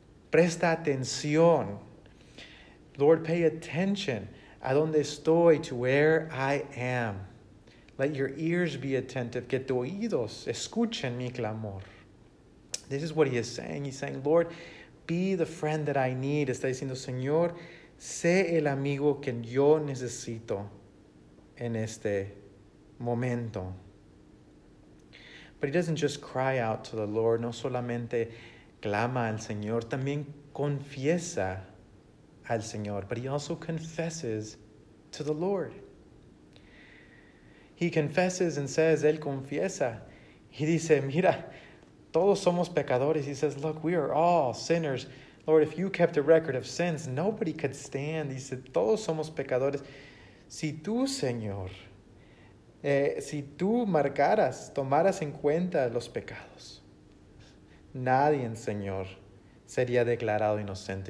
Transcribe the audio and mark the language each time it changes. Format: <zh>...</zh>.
<es>Presta atención.</es> <en>Lord, pay attention</en> <es>a donde estoy,</es> <en>to where I am. Let your ears be attentive,</en> <es>que tus oídos escuchen mi clamor.</es> <en>This is what he is saying. He's saying, Lord, be the friend that I need.</en> <es>Está diciendo, Señor, sé el amigo que yo necesito en este momento.</es> <en>But he doesn't just cry out to the Lord.</en> <es>No solamente clama al Señor, también confiesa al Señor.</es> <en>But he also confesses to the Lord. He confesses and says,</en> <es>él confiesa. Y dice, mira, todos somos pecadores.</es> <en>He says, look, we are all sinners. Lord, if you kept a record of sins, nobody could stand.</en> <es>Dice, todos somos pecadores. Si tú, Señor, si tú marcaras, tomaras en cuenta los pecados, nadie, Señor, sería declarado inocente.</es>